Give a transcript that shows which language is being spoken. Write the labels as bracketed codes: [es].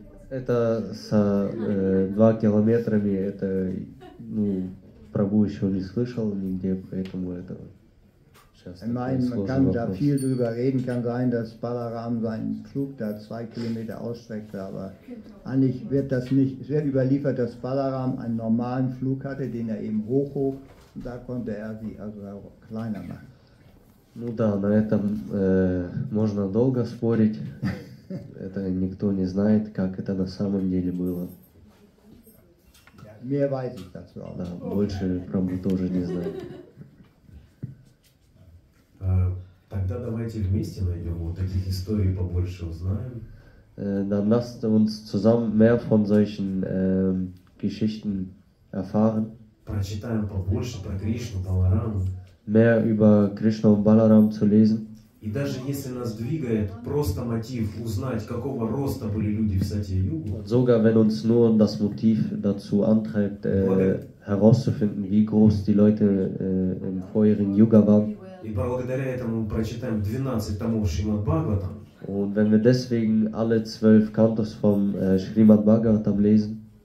[ru] Это с 2 километрами, это, ну, Прабу еще не слышал нигде, поэтому это сейчас такой сложный вопрос. [de] Man kann da viel drüber reden, kann sein, dass Balaram seinen Flug da 2 Kilometer ausstreckte, aber eigentlich wird das nicht, es wird überliefert, dass Balaram einen normalen Flug hatte, den er eben hochhob, und da konnte er sie also auch kleiner machen. [ru] Ну да, на этом можно долго спорить. Это никто не знает, как это на самом деле было. Да, больше Прабу тоже не знает. Тогда давайте вместе найдем вот таких историй побольше узнаем. Да, нас [de] zusammen mehr von solchen Geschichten erfahren. [ru] Прочитаем побольше про Кришну Баларам. [de] Mehr über Krishna und Balaram zu lesen. [ru] И даже если нас двигает просто мотив узнать, какого роста были люди в Сатья-югу, [de] sogar wenn uns nur das Motiv dazu antreibt, herauszufinden, wie groß die Leute im vorherigen Yuga waren, [ru] и благодаря этому мы прочитаем 12 томов Шримад-Бхагаватам, [de] und wenn wir deswegen alle 12 Kantos vom Шримад-Бхагаватам lesen,